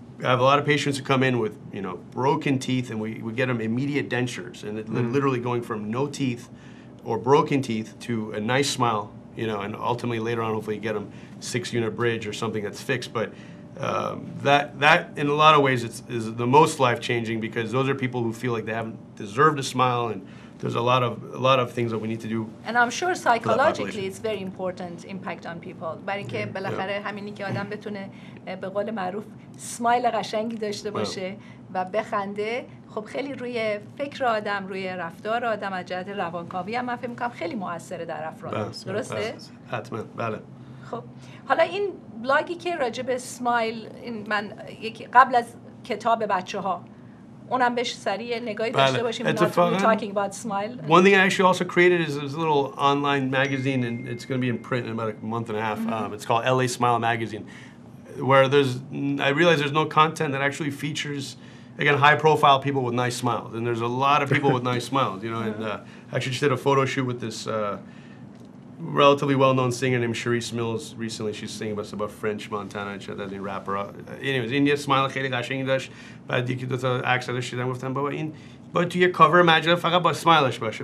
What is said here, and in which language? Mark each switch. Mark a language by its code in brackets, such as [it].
[en] have a lot of patients who come in with, you know, broken teeth, and we get them immediate dentures, and literally going from no teeth or broken teeth to a nice smile, you know, and ultimately later on, hopefully you get them 6-unit bridge or something that's fixed. But that in a lot of ways, is the most life-changing, because those are people who feel like they haven't deserved a smile, and there's a lot of things that we need to do. And I'm sure psychologically it's very important impact on people. [fa] برای اینکه بالاخره همینی که آدم بتونه به قول معروف سمایل قشنگی داشته باشه و بخنده، خب خیلی روی فکر آدم، روی رفتار آدم، از جهت روانکاوی هم من فکر می‌کنم خیلی مؤثره در افراد. درسته؟ حتما، بله. خب حالا این بلاگی که راجع به سمایل، این من یکی قبل از کتاب بچه‌ها اونم بهش سریع نگاهی داشته باشیم. [en] We're talking about smile. One thing I actually also created is this little online magazine, and it's going to be in print in about a month and a half. It's called LA Smile Magazine, where I realize there's no content that actually features, again, high profile people with nice smiles. And there's a lot of people with nice smiles, you know. And I actually just did a photo shoot with this relatively well known singer named Charisse Mills recently. She's singing with us about French Montana, and she has a rapper. [fa] Anyways, India smile خیلی قشنگی داشت. بعد یکی دو تا عکس ازش دیدم، گفتم بابا این باید توی کاور مجله فقط با اسمایلش باشه.